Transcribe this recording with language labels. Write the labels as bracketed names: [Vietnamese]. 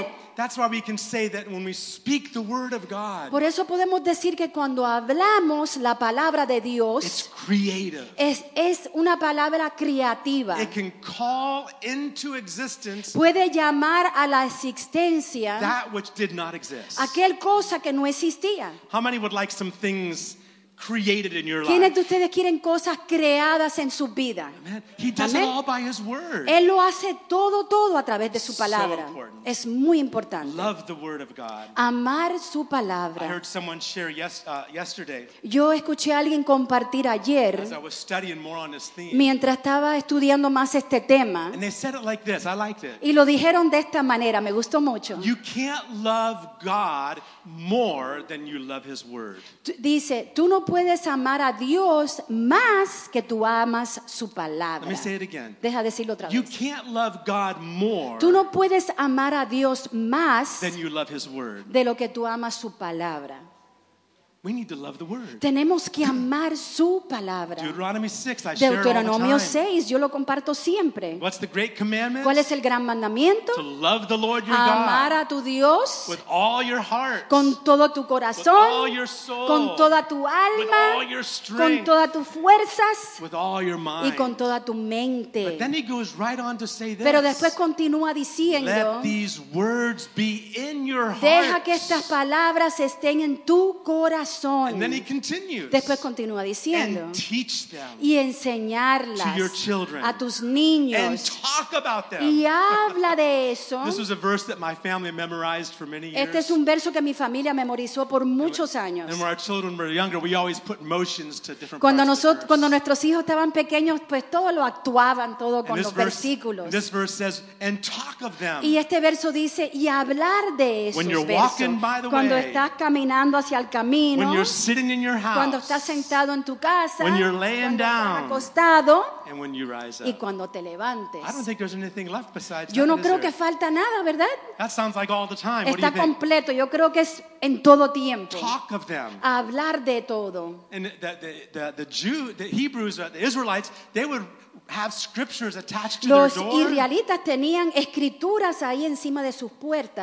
[English] So that's why we can say that when we speak the word of God. [Spanish] Por eso podemos decir que cuando hablamos la palabra de Dios, [English] it's creative. [Spanish] Es una palabra creativa. [English] It can call into existence. [Spanish] Puede llamar a la existencia. [English] That which did not exist. [Spanish] Aquel cosa que no existía. [English] How many would like some things created in your life? [Spanish] ¿Quiénes de ustedes quieren cosas creadas en su vida? [English] He does it all by his word. [Spanish] Él lo hace todo a través de su palabra. Es muy importante. [English] Love the word of God. [Spanish] Amar su palabra. [English] I heard someone share yesterday. [Spanish] Yo escuché a alguien compartir ayer. [English] As I was studying more on this theme. [Spanish] Mientras estaba estudiando más este tema. [English] And they said it like this. I liked it. [Spanish] Y lo dijeron de esta manera. Me gustó mucho. [English] You can't love God more than you love his word. [Spanish] Dice, tú no puedes amar a Dios más que tú amas su palabra. [English] Let me say it again. [Spanish] Deja decirlo otra vez. [English] You can't love God more. [Spanish] Tú no puedes amar a Dios más [English] than you love his word. [Spanish] De lo que tú amas su palabra. [English] We need to love the word. [Spanish] Tenemos que amar su palabra. [English] Deuteronomy 6, I share all the time. [Spanish] Deuteronomio 6, yo lo comparto siempre. [English] What's the great commandment? [Spanish] ¿Cuál es el gran mandamiento? [English] To love the Lord your God. [Spanish] Amar a tu Dios. [English] With all your heart. [Spanish] Con todo tu corazón. [English] With all your soul. [Spanish] Con toda tu alma. [English] With all your strength. [Spanish] Con todas tus fuerzas. [English] With all your mind. [Spanish] Y con toda tu mente. [English] But then he goes right on to say this. [Spanish] Pero después continúa diciendo. [English] Let these words be in your heart. [Spanish] Deja que estas palabras estén en tu corazón. [English] And then he continues. [Spanish] Después continúa diciendo. [English] And teach them. [Spanish] Y enseñarlas. [English] To your children. [Spanish] A tus niños. [English] And talk about them. [Spanish] Y habla de eso. [English] This was a verse that my family memorized for many years. [Spanish] Este es un verso que mi familia memorizó por muchos años. [English] And when our children were younger, we always put motions to different [Spanish] cuando [English] parts of the verse. [Spanish] Cuando nuestros hijos estaban pequeños, pues todo lo actuaban todo con los versículos. [English] This verse says, and talk of them. [Spanish] Y este verso dice, y hablar de esos [English] when you're [Spanish] versos. [English] Walking by the [Spanish] cuando [English] way. [Spanish] Estás caminando hacia el camino. [English] When you're sitting in your house, [Spanish] cuando estás sentado en tu casa, [English] when you're laying [Spanish] cuando [English] down, [Spanish] acostado, [English] And when you rise up. [Spanish] Y cuando te levantes. [English] I don't think there's anything left besides [Spanish] yo [English] that, [Spanish] no creo que falta nada, ¿verdad? [English] That sounds like all the time. [Spanish] Está completo. Yo creo que es en todo tiempo. [English] Talk of them. [Spanish] Hablar de todo. [English] And the Jew, the Hebrews, the Israelites, they would have scriptures attached to [Spanish] los [English] their door. [Spanish] Israelitas tenían escrituras ahí encima de sus puertas.